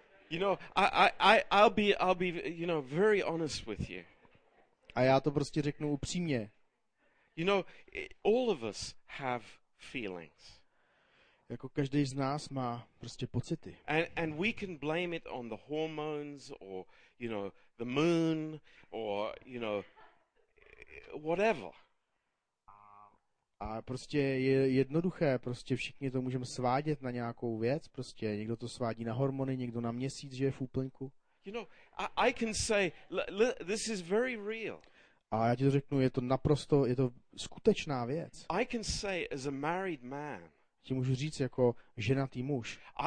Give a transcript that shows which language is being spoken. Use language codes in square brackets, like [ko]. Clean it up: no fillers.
[en] You know, I'll be, you know, very honest with you. [cs] A já to prostě řeknu upřímně. [en] You know, all of us have feelings. [cs] Jako každý z nás má prostě pocity. [en] And we can blame it on the hormones or, you know, the moon or, you know, whatever. [cs] A prostě je jednoduché, prostě všichni to můžeme svádět na nějakou věc, prostě někdo to svádí na hormony, někdo na měsíc, že je v úplňku. [en] You know, I can say, this is very real. [cs] A já ti to řeknu, je to naprosto, je to skutečná věc. [en] I can say as a married man. [cs] Ti můžu říct jako ženatý muž.